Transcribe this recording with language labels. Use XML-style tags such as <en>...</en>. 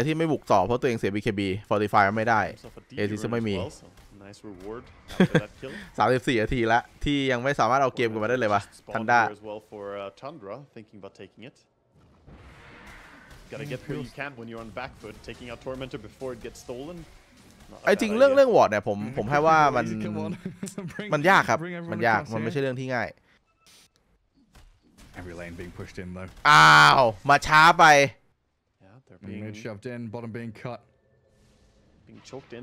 <th>ที่ไม่บุกต่อเพราะตัวเองเสีย BKB Fortify ไม่ได้ Aegis ไม่มี</th> <en>Nice reward after that kill.</en> <th>34นาทีแล้วที่ยังไม่สามารถเอาเกมกลับมาได้เลยวะทันด้า</th> <en>Tundra thinking about taking it Gotta get where you can when you're on back foot, taking out Tormentor before it gets stolen.</en> <th>ไอ้จริงเรื่องวอร์ดเนี่ยผมให้ว่ามันยากครับมันยากมันไม่ใช่เรื่องที่ง่าย</th> <en>Every lane being pushed in though.</en> <th>อ้าวมาช้าไป</th> <en>Mid shoved in, bottom being cut. Being choked in.</en>